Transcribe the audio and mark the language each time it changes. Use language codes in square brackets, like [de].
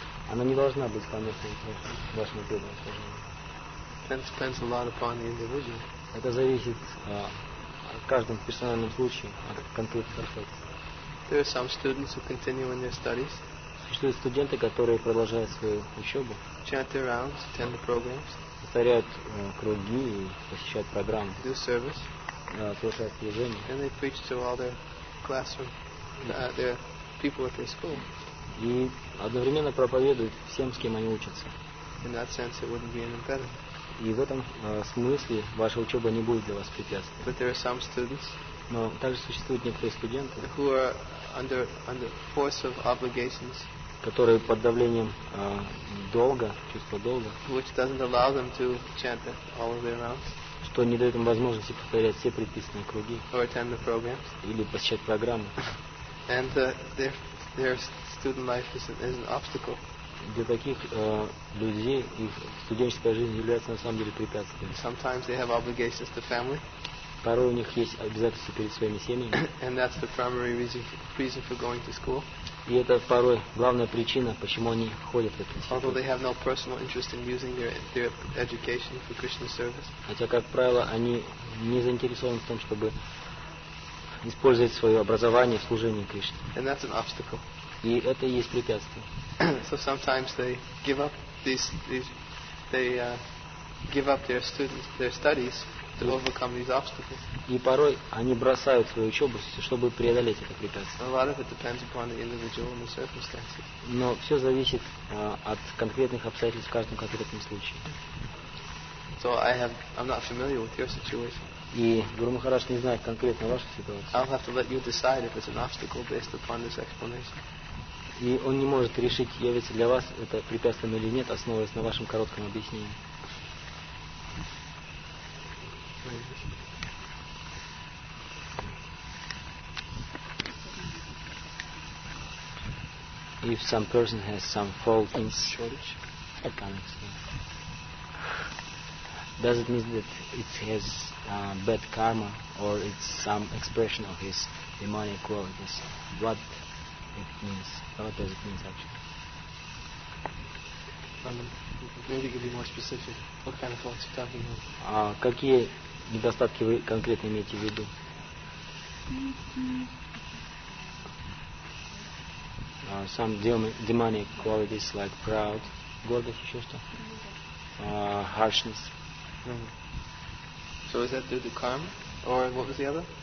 [ru] Она не должна быть помехой для вашего преданного служения. [en] That depends a lot upon the individual. [ru] Это зависит от каждом персональном случае, от конкретного факта. [en] There are some students who continue in their studies. [ru] Существуют студенты, которые продолжают свою учебу. [en] Chant their rounds, attend the programs. [ru] Повторяют круги и посещают программы. [en] Do service. [ru] Слушают служение. [en] And they preach to all their classroom, their people at their school. [ru] И одновременно проповедуют всем, с кем они учатся. [en] In that sense, it wouldn't be an impediment. [ru] И в этом смысле ваша учеба не будет для вас препятствием. [en] But there are some students. [ru] Но также существуют некоторые студенты. [en] Who are under force of obligations. [ru] Которые под давлением долга, чувства долга, [en] which doesn't allow them to chant all of their rounds, [ru] что не дает им возможности повторять все предписанные круги, [en] or attend the programs, [ru] или посещать программы, [en] and their student life is an obstacle. [ru] Для таких людей их студенческая жизнь является на самом деле препятствием. [en] Sometimes they have obligations to family. [ru] Порой у них есть обязательства перед своими семьями. [en] And that's the primary reason for going to school. [ru] И это порой главная причина, почему они ходят в этот институт. [en] Although they have no personal interest in using their education for Krishna service. [ru] Хотя, как правило, они не заинтересованы в том, чтобы использовать свое образование в служении Кришне. [en] And that's an obstacle. [ru] И это и есть препятствие. [en] So sometimes they give up their studies. To overcome these obstacles. [ru] И порой они бросают свою учебу, чтобы преодолеть это препятствие. [en] A lot of it depends upon the individual and the circumstances. [ru] Но все зависит от конкретных обстоятельств в каждом конкретном случае. [en] So I'm not familiar with your situation. [ru] И Гуру Махарадж не знает конкретно вашу ситуацию. [en] I'll have to let you decide if it's an obstacle based upon this explanation. [ru] И он не может решить, является для вас это препятствием или нет, основываясь на вашем коротком объяснении. [en] If some person has some fault in shortage, accounts, does it mean that it's his bad karma or it's some expression of his demonic qualities? What it means? What does it mean actually? Maybe you could be more specific. What kind of faults are you talking about? [ru] Какие недостатки вы конкретно имеете в виду? [en] Some demonic qualities like proud, [ru] гордость, еще что? [en] Harshness. Mm-hmm. So is that due to karma? Or what was the other?